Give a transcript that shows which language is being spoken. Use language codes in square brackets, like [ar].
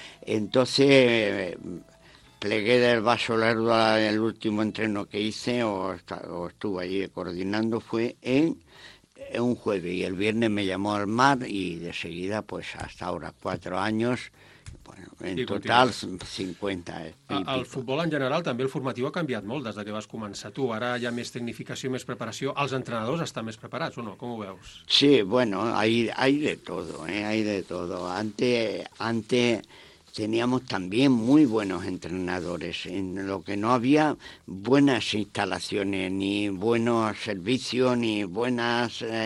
[es] Entonces plegué del vaso largo el último entreno que hice o estuve allí coordinando fue en un jueves y el viernes me llamó al Mar y de seguida pues hasta ahora 4 años. Bueno, en total, 50. [ca] El futbol en general, també el formatiu ha canviat molt des de que vas començar tu. Ara hi ha més tecnificació, més preparació. Els entrenadors estan més preparats o no? Com ho veus? [es] Sí, bueno, hay de todo, ¿eh? Hay de todo. Antes teníamos también muy buenos entrenadores, en lo que no había buenas instalaciones, ni buenos servicios, ni buenas